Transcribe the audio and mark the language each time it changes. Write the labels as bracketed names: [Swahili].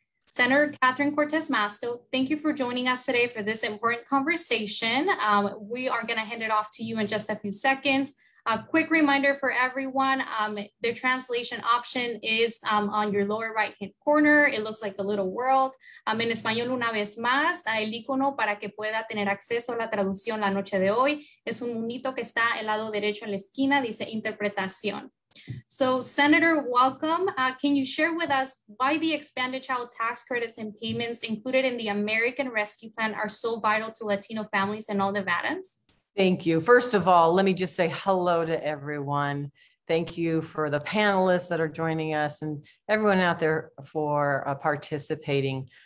[English] Senator Catherine Cortez Masto, thank you for joining us today for this important conversation. We are going to hand it off to you in just a few seconds. A quick reminder for everyone, the translation option is on your lower right-hand corner. It looks like the little world. [Spanish] En español, una vez más, el icono para que pueda tener acceso a la traducción la noche de hoy es un mundito que está el lado derecho en la esquina, dice interpretación. [English] So, Senator, welcome. Can you share with us why the expanded child tax credits and payments included in the American Rescue Plan are so vital to Latino families and all Nevadans? Thank you. First of all, let me just say hello to everyone. Thank you for the panelists that are joining us and everyone out there for participating.